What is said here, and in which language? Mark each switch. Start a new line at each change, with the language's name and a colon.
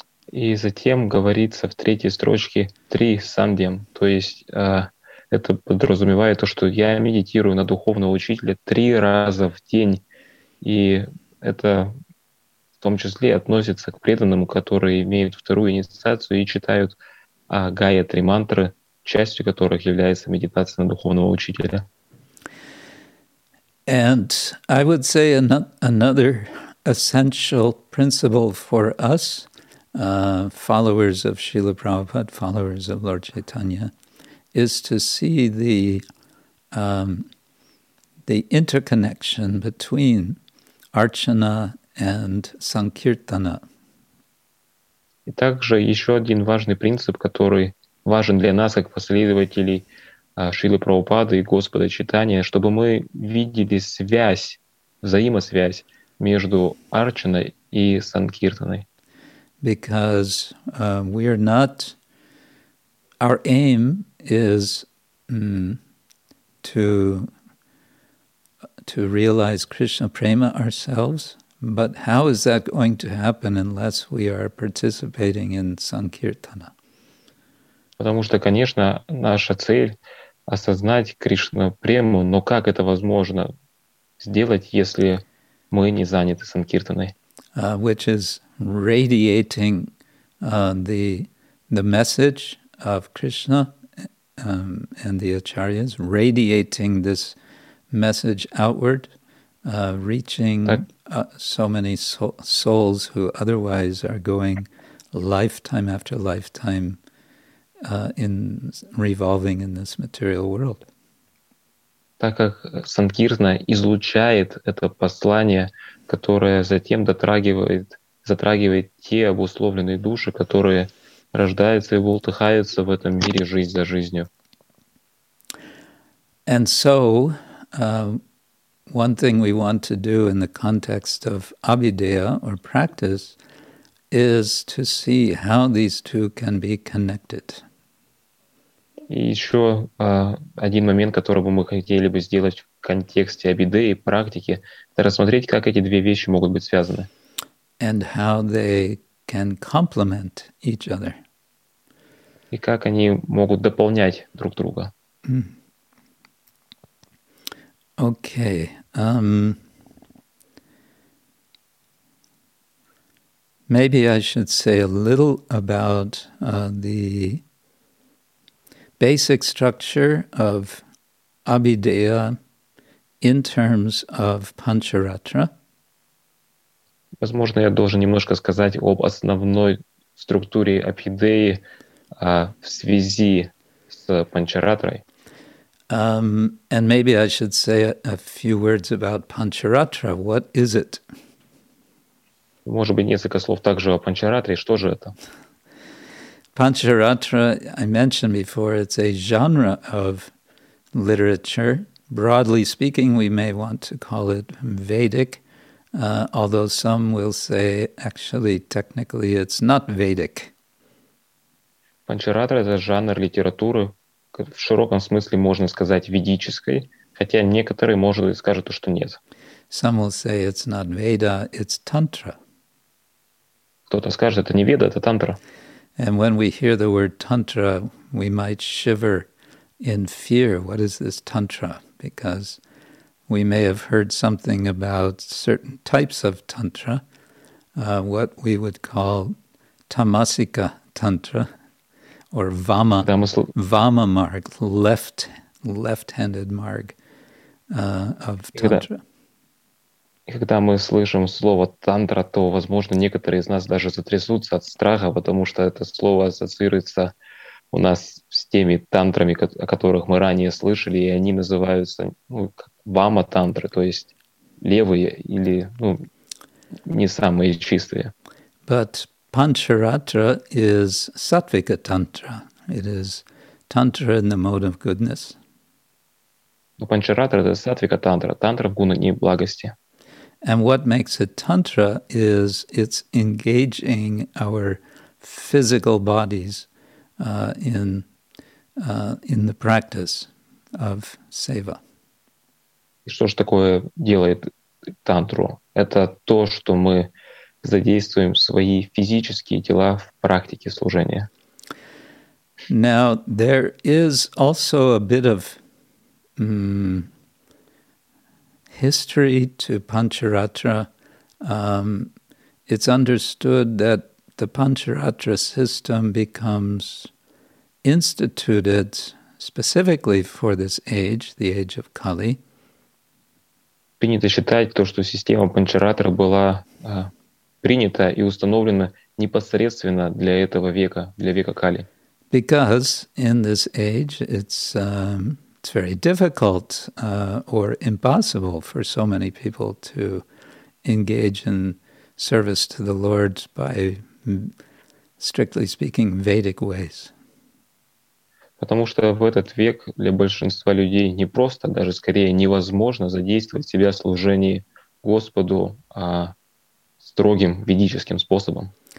Russian: И затем говорится в третьей строчке «три сандьям», то есть это подразумевает то, что я медитирую на духовного учителя три раза в день, и это в том числе относится к преданному, которые имеют вторую инициацию и читают Гайатри мантры, частью которых является медитация на духовного учителя.
English: And I would say another essential principle for us, followers of Srila Prabhupada, followers of Lord Chaitanya, is to see the interconnection between archana and sankirtana.
Russian: И также еще один важный принцип, который важен для нас как последователей Шрилы Прабхупады и Господа Чайтаньи, чтобы мы видели связь, взаимосвязь между арчаной и санкиртаной.
English: Because we are not, our aim is to realize Krishna prema ourselves, but how is that going to happen unless we are participating in sankirtana?
Russian: Потому что, конечно, наша цель осознать Кришна прему, но как это возможно сделать, если мы не заняты санкиртаной?
English: Which is radiating the message of Krishna and the acharyas, radiating this message outward, reaching so many souls who otherwise are going lifetime after lifetime in revolving in this material world.
Russian: Так как санкиртана излучает это послание, которое затем затрагивает те обусловленные души, которые рождаются и болтыхаются в этом мире жизнь за жизнью.
English: And so, one thing we want to do in the context of abhideya or practice is to see how these two can be connected.
Russian: И еще один момент, который бы мы хотели бы сделать в контексте абидеи и практики, это рассмотреть, как эти две вещи могут быть связаны.
English: And how they can complement each other.
Russian: И как они могут дополнять друг друга.
English: Okay. Maybe I should say a little about the basic structure of Abhideya in terms of Pancharatra.
Russian: Возможно, я должен немножко сказать об основной структуре Абхидеи в связи с Панчаратрой.
English: And maybe I should say a few words about Pancharatra. What is it?
Russian: Может быть, несколько слов также о Панчаратре. Что же это?
English: Pancharatra, I mentioned before, it's a genre of literature. Broadly speaking, we may want to call it Vedic, although some will say, actually, technically, it's not Vedic.
Russian: Pancharatra – это жанр литературы, в широком смысле можно сказать ведической, хотя некоторые, может быть, скажут, что нет.
English: Some will say it's not Veda, it's Tantra.
Russian: Кто-то скажет, это не Веда, это Тантра.
English: And when we hear the word Tantra, we might shiver in fear. What is this Tantra? Because we may have heard something about certain types of Tantra, what we would call Tamasika Tantra, or Vama, Vama Marg, left-handed Marg of Tantra.
Russian: Когда мы слышим слово «тантра», то, возможно, некоторые из нас даже затрясутся от страха, потому что это слово ассоциируется у нас с теми тантрами, о которых мы ранее слышали, и они называются вама-тантры, то есть левые или не самые чистые.
English: But Pancharatra is sattvika tantra. It is tantra in the mode of goodness.
Russian: Но Pancharatra — это саттвика тантра, тантра в гуне благости.
English: And what makes it tantra is it's engaging our physical bodies in the practice of seva.
Russian: И что же такое делает тантру? Это то, что мы задействуем свои физические тела в практике служения.
English: Now, there is also a bit of history to Pancharatra. It's understood that the Pancharatra system becomes instituted specifically for this age, the age of Kali.
Russian: Принято считать то, что система Pancharatra была принята и установлена непосредственно для этого века, для века Кали.
English: Because in this age it's very difficult or impossible for so many people to engage in service to the Lord by, strictly speaking, Vedic ways.
Russian: Потому что в этот век для большинства людей не просто, даже скорее невозможно задействовать себя в служении Господу строгим ведическим способом.